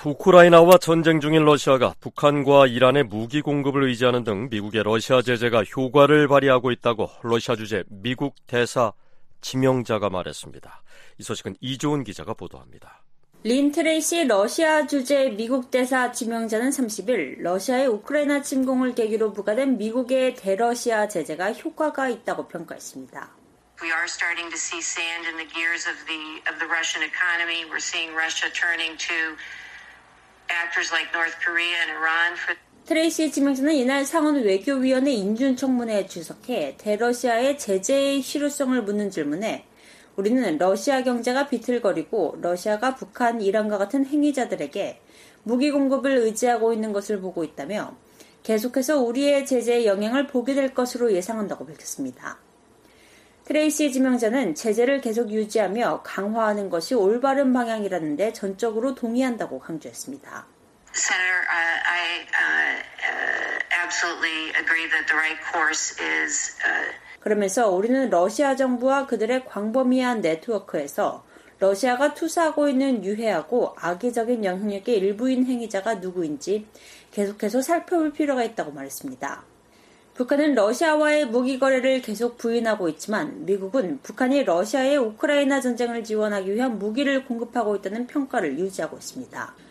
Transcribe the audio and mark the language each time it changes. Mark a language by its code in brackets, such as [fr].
[ko] 우크라이나와 전쟁 중인 러시아가 북한과 이란의 무기 공급을 의지하는 등 미국의 러시아 제재가 효과를 발휘하고 있다고 러시아 주재 미국 대사 지명자가 말했습니다. 이 소식은 이조은 기자가 보도합니다. 린 트레이시 러시아 주재 미국 대사 지명자는 30일 러시아의 우크라이나 침공을 계기로 부과된 미국의 대러시아 제재가 효과가 있다고 평가했습니다. [en] We are starting to see sand in the gears of the Russian economy. We're seeing Russia turning to actors like North Korea and Iran for [ko] 트레이시 지명자는 이날 상원 외교위원회 인준 청문회에 출석해 대러시아의 제재의 실효성을 묻는 질문에 우리는 러시아 경제가 비틀거리고 러시아가 북한, 이란과 같은 행위자들에게 무기 공급을 의지하고 있는 것을 보고 있다며 계속해서 우리의 제재의 영향을 보게 될 것으로 예상한다고 밝혔습니다. 트레이시 지명자는 제재를 계속 유지하며 강화하는 것이 올바른 방향이라는 데 전적으로 동의한다고 강조했습니다. [en] Senator, I absolutely agree that the right course is... [ko] 그러면서 우리는 러시아 정부와 그들의 광범위한 네트워크에서 러시아가 투사하고 있는 유해하고 악의적인 영향력의 일부인 행위자가 누구인지 계속해서 살펴볼 필요가 있다고 말했습니다. 북한은 러시아와의 무기 거래를 계속 부인하고 있지만 미국은 북한이 러시아의 우크라이나 전쟁을 지원하기 위한 무기를 공급하고 있다는 평가를 유지하고 있습니다.